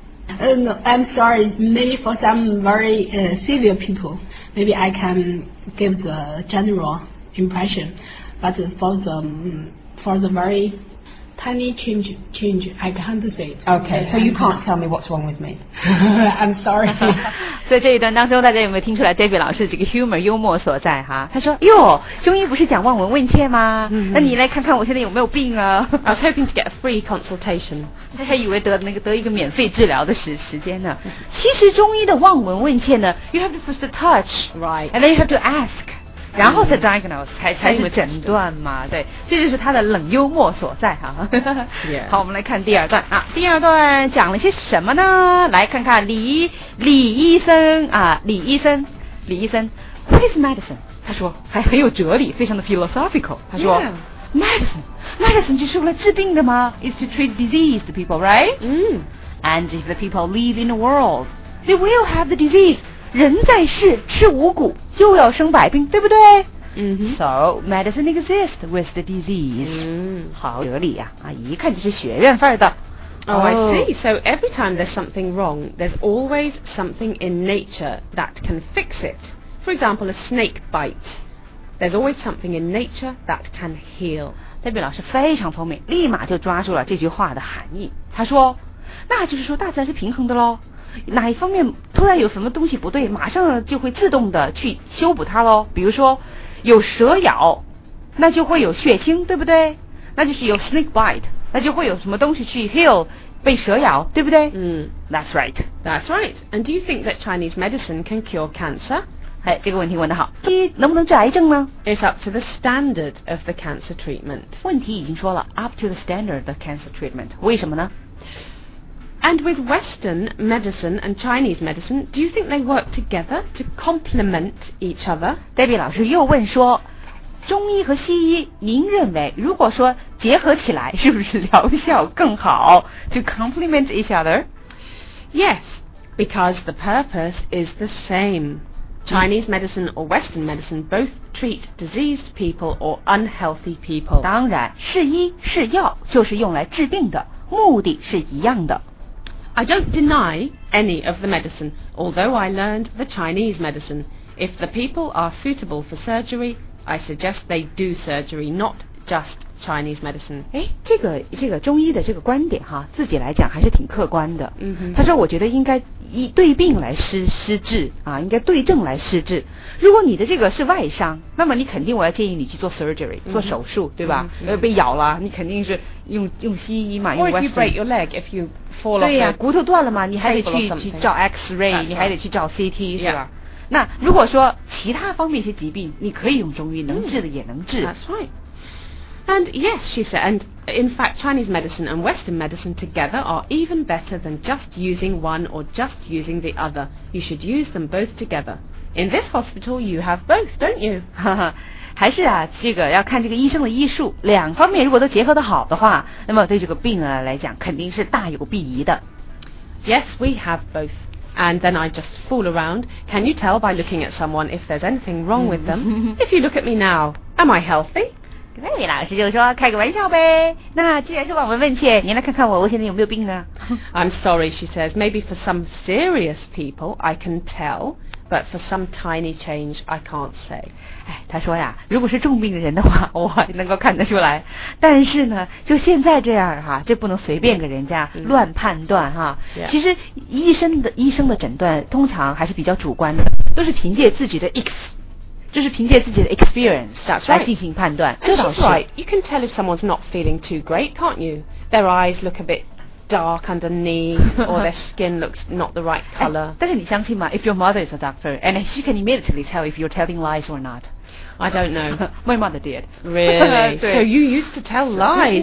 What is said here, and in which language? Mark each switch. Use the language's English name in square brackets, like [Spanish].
[English] I'm sorry. Maybe for some very severe people, maybe I can give the general impression. But for the very tiny change, I can't say it. Okay, so you can't tell me what's wrong with me. I'm sorry. [Chinese] 在这一段当中，大家有没有听出来 David 老师的这个 humor 幽默所在哈？他说：“哟，中医不是讲望闻问切吗？那你来看看我现在有没有病啊？” [English] I was hoping to get a free consultation. [Chinese] 他还以为得一个免费治疗的时间呢。其实中医的望闻问切呢 ， [English] you have to first touch, right, and then you have to ask. [Chinese] 然后再 diagnose 才是诊断嘛，对，这就是他的冷幽默所在哈。 [English] Yeah. [Chinese] 好，我们来看第二段啊，第二段讲了些什么呢？来看看李医生啊，李医生 ， [English] What is medicine？ [Chinese] 他说还很有哲理，非常的 philosophical。他说、 [English] yeah. ，medicine [Chinese] 就是为了治病的吗 [English] ？Is to treat diseased people, right？嗯、mm. ，And if the people live in the world, they will have the disease. [Chinese] 人在世吃五谷就要生百病，对不对？嗯、 [English] mm-hmm. ，So medicine exists with the disease。嗯， [Chinese] 好哲理呀、啊！一看就是学院范儿的。 [English] Oh, I see. So every time there's something wrong, there's always something in nature that can fix it. For example, a snake bite. There's always something in nature that can heal. [Chinese] 戴斌老师非常聪明，立马就抓住了这句话的含义。他说，那就是说大自然是平衡的咯，哪一方面突然有什么东西不对，马上就会自动的去修补它咯。比如说有蛇咬，那就会有血清，对不对？那就是有 snake bite， 那就会有什么东西去 heal，被蛇咬，对不对？ [English] That's right. That's right. And do you think that Chinese medicine can cure cancer? [Chinese] 哎，这个问题问得好。第一，能不能治癌症呢？ [English] It's up to the standard of the cancer treatment. [Chinese] 问题已经说了， [English] up to the standard of cancer treatment. [Chinese] 为什么呢？ [English] And with Western medicine and Chinese medicine, do you think they work together to complement each other? [Chinese] Debbie 老师又问说，中医和西医，您认为如果说结合起来，是不是疗效更好？ [English] To complement each other? Yes, because the purpose is the same. Chinese medicine or Western medicine both treat diseased people or unhealthy people. [Chinese] 当然，是医是药就是用来治病的，目的是一样的。 [English] I don't deny any of the medicine, although I learned the Chinese medicine. If the people are suitable for surgery,I suggest they do surgery, not just Chinese medicine. [Chinese] 哎，这个中医的这个观点哈，自己来讲还是挺客观的。嗯哼，他说我觉得应该对病来施治啊，应该对症来施治。如果你的这个是外伤，那么你肯定我要建议你去做 surgery，做手术，对吧？被咬了，你肯定是用西医嘛，用 Western。 [English] Or if you break your leg, if you fall off. [Chinese] 对呀，骨头断了嘛，你还得去照 X-ray， 你还得去照 CT， 是吧？ [English] Yeah. [Chinese] 那如果说其他方面一些疾病，你可以用中医，能治的也能治。 [English] That's right. And yes, she said, and in fact, Chinese medicine and Western medicine together are even better than just using one or just using the other. You should use them both together. In this hospital, you have both, don't you? [Chinese] 还是啊，这个要看这个医生的医术，两方面如果都结合得好的话，那么对这个病啊来讲，肯定是大有裨益的。 [English] Yes, we have both. And then I just fool around. Can you tell by looking at someone if there's anything wrong with them? If you look at me now, am I healthy? [Chinese] 对，老师就说开个玩笑呗。那既然是网文问切，您来看看我现在有没有病呢？ [English] I'm sorry, she says. Maybe for some serious people, I can tell. But for some tiny change, I can't say. [Chinese] 哎，她说呀，如果是重病的人的话，我能够看得出来。但是呢，就现在这样哈，这不能随便给人家乱判断哈。 [English] Yeah. [Chinese] 其实医生的诊断通常还是比较主观的，都是凭借自己的 experience 来进行判断。 [English] That's right. That's right. You can tell if someone's not feeling too great, can't you? Their eyes look a bit dark underneath, or their skin looks not the right color. [Chinese] 但是你相信吗？ [English] If your mother is a doctor, and she can immediately tell if you're telling lies or not. I don't know. My mother did. Really? So you used to tell lies,